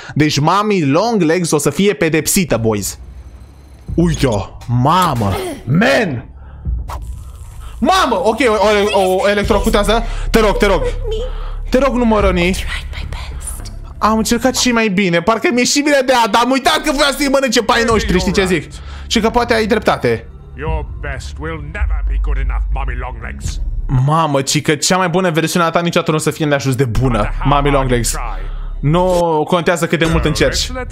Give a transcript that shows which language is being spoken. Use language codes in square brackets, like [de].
[ro] Deci Mami Long Legs o să fie pedepsită, boys. Uite-o, mamă, man. Mamă, ok, o electrocutează. Te rog, te rog. Te rog, nu mă răni. Am încercat și mai bine. Parcă mi-e și bine de a, dar am uitat că vrea să-i mănânce pe ai noștri, știi ce zic? Și că poate ai dreptate. [en] Your best will never be good enough, Mommy Longlegs. [ro] Mamă, cică, cea mai bună versiune a ta niciodată nu o să fie neajuns de bună, Mommy Longlegs. Nu contează cât de mult încerci.